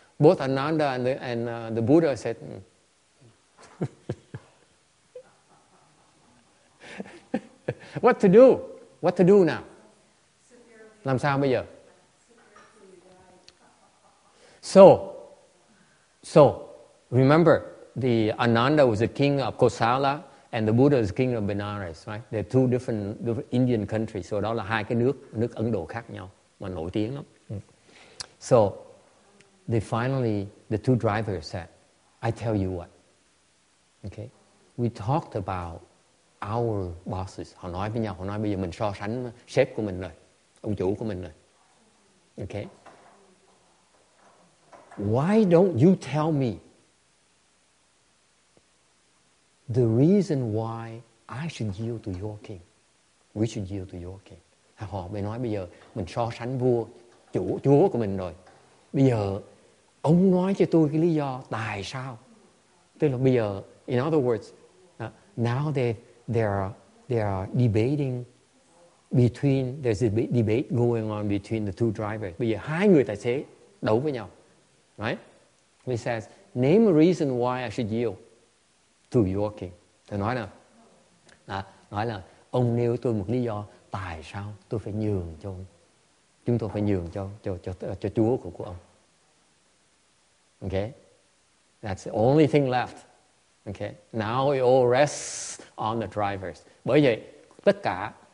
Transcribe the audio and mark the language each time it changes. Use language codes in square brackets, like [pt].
[en] Both Ananda and the Buddha said, "What to do? What to do now? [vi] Làm sao bây giờ?" [en] So, remember the Ananda was the king of Kosala. And the Buddha is king of Benares, right? They're two different Indian countries. [vi] So đó là hai cái nước Ấn Độ khác nhau mà nổi tiếng lắm. [en] So they finally, the two drivers said, "I tell you what, okay? We talked about our bosses." [vi] Họ nói với nhau, họ nói bây giờ mình so sánh sếp của mình rồi, ông chủ của mình rồi. [en] Okay? Why don't you tell me the reason why I should yield to your king? We should yield to your king. [vi] Họ mới nói bây giờ mình so sánh vua, chúa của mình rồi. Bây giờ ông nói cho tôi cái lý do tại sao. Tức là bây giờ, [en] in other words, now they are debating between, there's a debate going on between the two drivers. [vi] Bây giờ hai người tài xế đấu với nhau. [en] Right? He says, name a reason why I should yield to your king. [vi] Tôi nói là, ông nêu tôi một lý do tại sao tôi phải nhường cho ông. Chúng tôi phải nhường cho chúa của ông. [en] Okay? That's the only thing left. Okay? Now it all rests on the drivers. [vi] Bởi vậy, tất cả